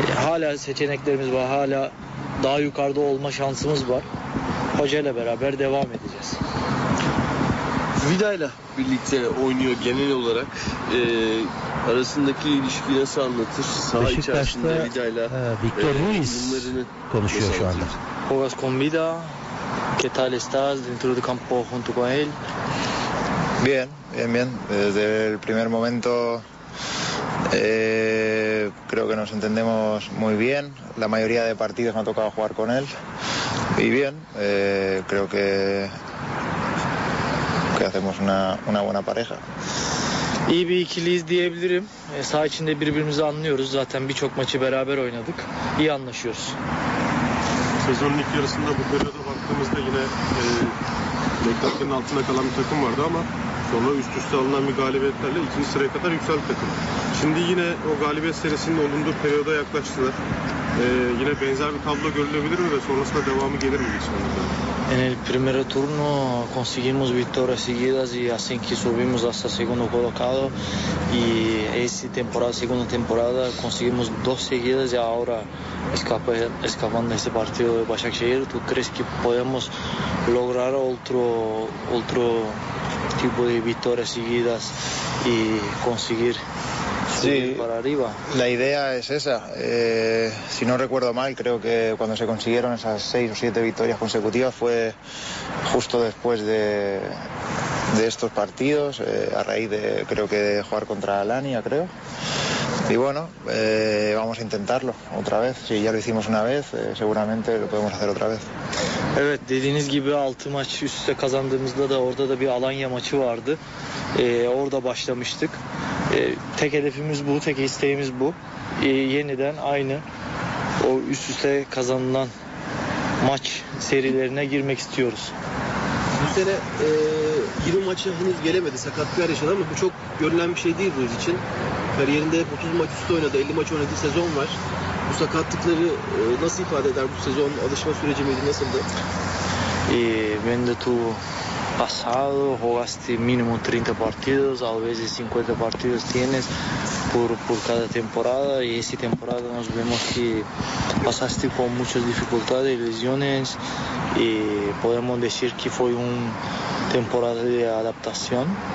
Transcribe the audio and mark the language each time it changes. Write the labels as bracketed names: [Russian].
[Turkish] Hala seçeneklerimiz var. Hala daha yukarıda olma şansımız var. Hocayla beraber devam edeceğiz. Vida'yla birlikte oynuyor genel olarak. Arasındaki ilişkiyi nasıl anlatır? Saha içerisinde Vida'yla Victor Ruiz konuşuyor şu anda. [Spanish] Jugas con Vida. ¿Qué tal estás dentro del campo junto con él? Bien, bien, bien. Desde el primer momento creo que nos entendemos muy bien. La mayoría de partidos me ha tocado jugar con él. Y bien, creo que hacemos una buena pareja. [Turkish] İyi bir ikiliyiz diyebilirim. Saha içinde birbirimizi anlıyoruz. Zaten birçok maçı beraber oynadık. İyi anlaşıyoruz. Sezonun ilk yarısında bu periyoda baktığımızda yine beklentinin altında kalan bir takım vardı ama sonra üst üste alınan bir galibiyetlerle ikinci sıraya kadar yükseldi takım. Şimdi yine o galibiyet serisinin olunduğu periyoda yaklaştılar. Yine benzer bir tablo görülebilir mi ve sonrasında devamı gelir mi? [Spanish] En el primer turno conseguimos victorias seguidas y así que subimos hasta segundo colocado y esta temporada, segunda temporada, conseguimos dos seguidas y ahora escapando este partido de Başakşehir, ¿tú crees que podemos lograr otro tipo de victorias seguidas y conseguir subir para arriba? La idea es esa. Si no recuerdo mal, creo que cuando se consiguieron esas seis o siete victorias consecutivas fue justo después de estos partidos, a raíz de, creo que, de jugar contra Alania, creo. Y bueno, vamos a intentarlo otra vez. Si ya lo hicimos una vez, seguramente lo podemos hacer otra vez. [Turkish] Evet, dediğiniz gibi 6 maç üst üste kazandığımızda da orada da bir Alanya maçı vardı. Orada başlamıştık. Tek hedefimiz bu, tek isteğimiz bu. Yeniden aynı o üst üste kazanılan maç serilerine girmek istiyoruz. Bu sene 20 maça henüz gelemedi. Sakatlıklar yaşadı ama bu çok görülen bir şey değil Ruiz için. Kariyerinde 30 maç üstü oynadı, 50 maç oynadığı sezon var. Bu sakatlıkları nasıl ifade eder bu sezon? Alışma süreci miydi, nasıldı? [Spanish] Ben de tu pasado jugaste mínimo 30 partidos, a veces 50 partidos tienes por cada temporada, y esta temporada nos vemos que pasaste con muchas dificultades, lesiones, y podemos decir que fue una temporada de adaptación.